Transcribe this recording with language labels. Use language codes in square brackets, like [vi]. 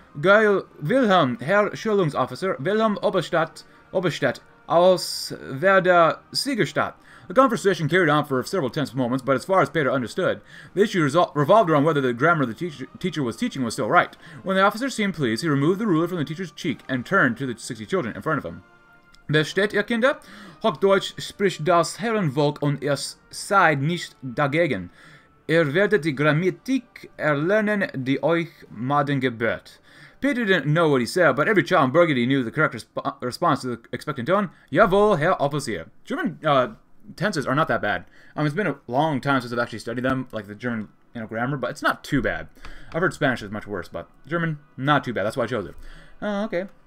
[de] Geil Wilhelm, Herr Schulungsofficer, Wilhelm Oberstadt, aus Werder Siegerstadt. [en] The conversation carried on for several tense moments, but as far as Peter understood, the issue revolved around whether the grammar the teacher was teaching was still right. When the officer seemed pleased, he removed the ruler from the teacher's cheek and turned to the 60 children in front of him. [de] Versteht ihr Kinder? Hochdeutsch spricht das Herrenvolk und ihr seid nicht dagegen. Ihr werdet die Grammatik erlernen, die euch morgen gebührt. [en] Peter didn't know what he said, but every child in Burgundy knew the correct response to the expectant tone. [de] Jawohl, Herr Officer. [en] German, tenses are not that bad. It's been a long time since I've actually studied them, like the German, grammar, but it's not too bad. I've heard Spanish is much worse, but German, not too bad. That's why I chose it. Okay.